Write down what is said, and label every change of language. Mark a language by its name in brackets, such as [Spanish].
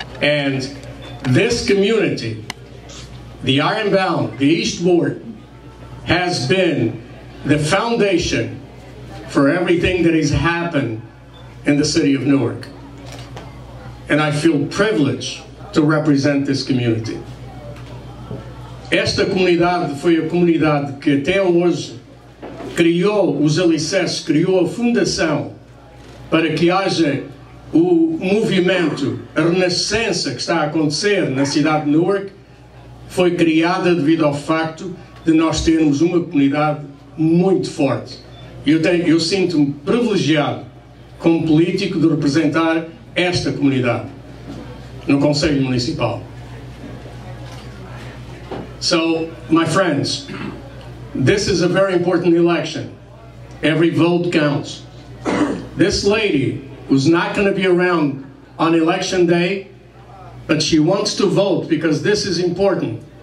[English] And this community, the Iron Bound, the East Ward, has been the foundation for everything that has happened in the city of Newark. And I feel privileged to represent this community. [Portuguese] Esta comunidade foi a comunidade que até hoje criou os alicerces, criou a fundação para que haja o movimento, a renascença que está a acontecer na cidade de Newark. Foi criada devido ao facto de nós termos uma comunidade muito forte. Eu sinto-me privilegiado como político de representar esta comunidade no Conselho Municipal. [English] So, my friends, this is a very important election. Every vote counts. This lady who's not going to be around on election day, but she wants to vote because this is important.